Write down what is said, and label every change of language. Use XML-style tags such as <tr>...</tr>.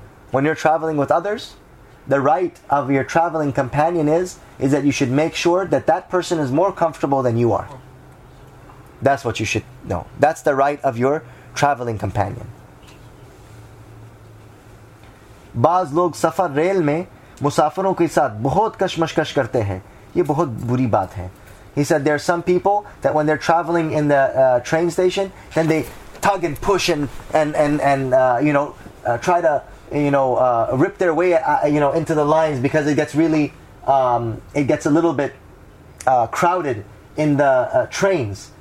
<en>When you're traveling with others, the right of your traveling companion is that you should make sure that that person is more comfortable than you are. That's what you should know. That's the right of your traveling companion.</en> <ur>Baz log safar rail mein مسافروں کے ساتھ بہت کشمشکش کرتے ہیں. یہ بہت بری بات ہے.</ur> <en>He said there are some people that when they're traveling in the train station, then they tug and push and try to rip their way into the lines, because it gets really crowded in the trains.</en>